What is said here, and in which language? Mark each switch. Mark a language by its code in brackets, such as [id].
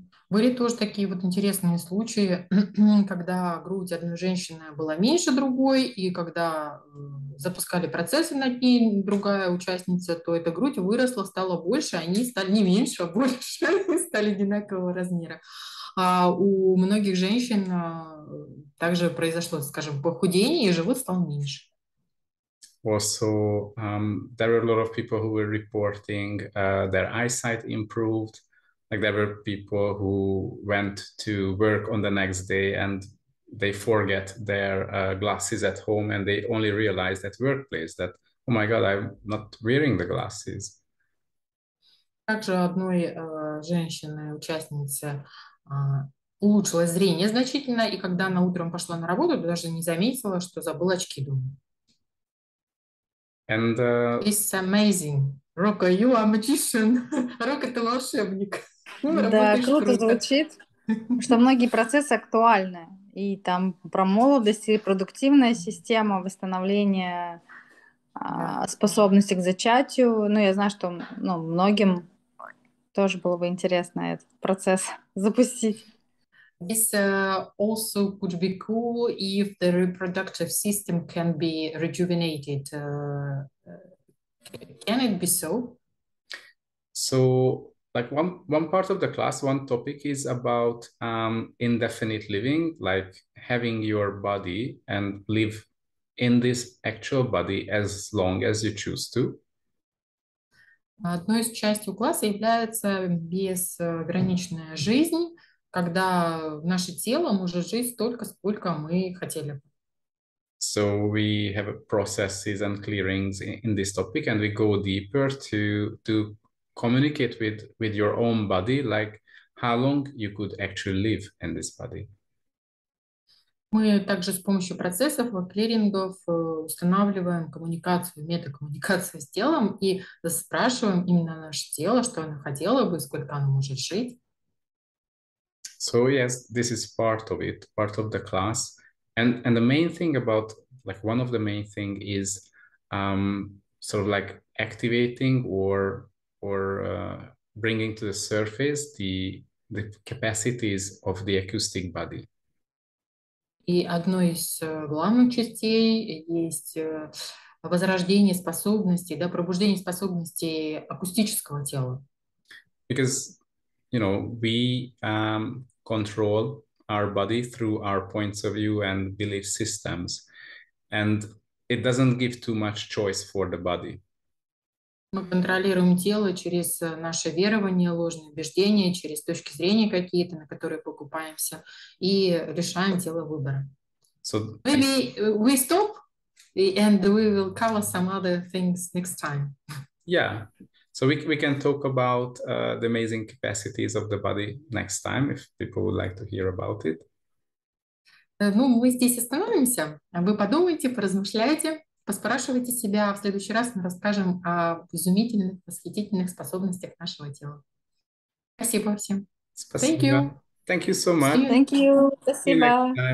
[ru] Были тоже такие вот интересные случаи, когда грудь одной женщины была меньше другой, и когда запускали процессы над ней другая участница, то эта грудь выросла, стала больше, они стали не меньше, а больше, стали одинакового размера. А у многих женщин также произошло, скажем, похудение, и живот стал меньше. [en] Also, there were a lot of people who were reporting their eyesight improved. Like there were people who went to work on the next day and they forget their glasses at home and they only realized at workplace that, oh my God, I'm not wearing the glasses. [ru] Также одной женщины-участницы улучшилось зрение значительно, и когда она утром пошла на работу, даже не заметила, что забыла очки дома. [en] And it's amazing. Рока, you are a magician. Рока, [ru] ты волшебник. Да, круто звучит, что многие процессы актуальны. И там про молодость, и продуктивная система восстановления способности к зачатию. Ну, я знаю, что ну, многим тоже было бы интересно этот процесс запустить. [en] This also could be cool if the reproductive system can be rejuvenated. Can it be so? So, like one part of the class, one topic is about indefinite living, like having your body and live in this actual body as long as you choose to. [ru] Одной из частей класса является безграничная жизнь. Когда наше тело может жить столько, сколько мы хотели. [en] So we have processes and clearings in this topic, and we go deeper to communicate with your own body, like how long you could actually live in this body. [ru] Мы также с помощью процессов, клирингов устанавливаем коммуникацию, метакоммуникацию с телом и спрашиваем именно наше тело, что оно хотело бы, сколько оно может жить. [en] So yes, this is part of it, part of the class. And the main thing about, like one of the main thing is sort of like activating or bringing to the surface the capacities of the acoustic body. [ru] И одной из главных частей есть возрождение способностей, да, пробуждение способностей акустического тела. [en] Because, you know, we... control our body through our points of view and belief systems, and it doesn't give too much choice for the body. [ru] Мы контролируем тело через наше верование, ложные убеждения, через точки зрения какие-то, на которые покупаемся, и решаем тело выбора. [en] So maybe we stop and we will cover some other things next time. Yeah. So we can talk about the amazing capacities of the body next time, if people would like to hear about it. [ru] Ну, мы здесь остановимся. Вы подумайте, поразмышляйте, поспрашивайте себя. В следующий раз мы расскажем о изумительных, восхитительных способностях нашего тела. Спасибо всем. Спасибо. [en] Thank you. Thank you so much. Thank you. [ru] Спасибо.